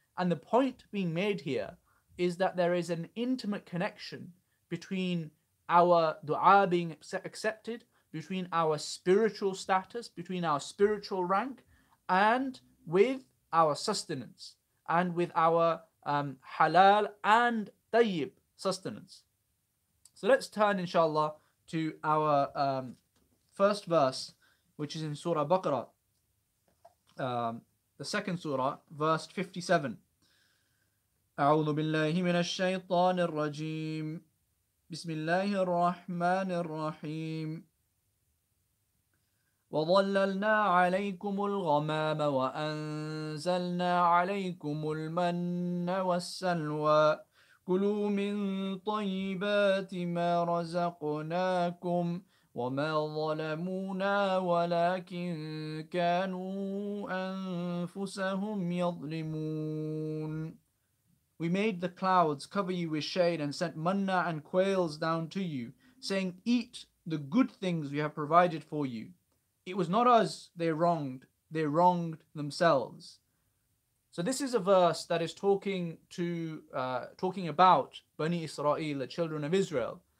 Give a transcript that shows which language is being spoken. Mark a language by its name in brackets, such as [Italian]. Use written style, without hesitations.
[English] And the point being made here is that there is an intimate connection between our dua being accepted, between our spiritual status, between our spiritual rank, and with our sustenance, and with our halal and tayyib sustenance. So let's turn, inshallah, to our first verse, which is in Surah Baqarah, the second surah, verse 57. [Arabic] أعوذ بالله من الشيطان الرجيم بسم الله الرحمن الرحيم وظللنا عليكم الغمام وأنزلنا عليكم المن والسلوى كلوا من طيبات ما رزقناكم وَمَا ظَلَمُونَا وَلَكِنْ كَانُوا أَنفُسَهُمْ يَظْلِمُونَ. [English] We made the clouds cover you with shade and sent manna and quails down to you, saying, "Eat the good things we have provided for you." It was not us they wronged themselves. So this is a verse that is talking about Bani Israel, the children of Israel.